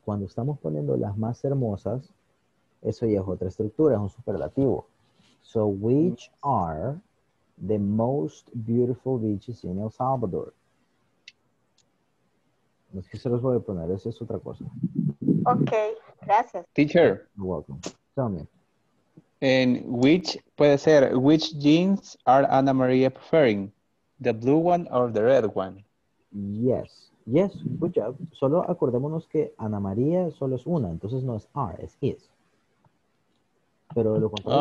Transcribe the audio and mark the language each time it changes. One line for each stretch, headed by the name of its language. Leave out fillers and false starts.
Spanish: Cuando estamos poniendo las más hermosas, eso ya es otra estructura, es un superlativo.
English: So, which are the most beautiful beaches in El Salvador?
Spanish: No sé si se los voy a poner, eso es otra cosa. Ok, gracias.
English: Teacher. You're welcome. Tell me. And which,
Spanish: puede ser,
English: which jeans are Ana Maria preferring? The blue one or the red one? Yes. Yes, good job.
Spanish: Solo acordémonos que Ana María solo es una. Entonces no es are, es is. Pero lo contrario.